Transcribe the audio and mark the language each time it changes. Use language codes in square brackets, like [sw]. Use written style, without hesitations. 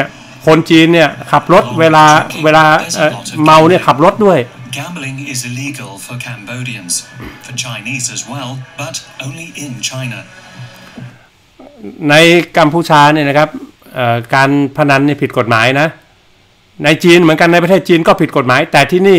[th] ยคนจีนเนี่ยขับรถเวลาเมาเนี่ยขับรถด้วย [en] Gambling is illegal for Cambodians, for Chinese as well, but only in China. [th] ในกัมพูชาเนี่ยนะครับการพนันนี่ผิดกฎหมายนะในจีนเหมือนกันในประเทศจีนก็ผิดกฎหมายแต่ที่นี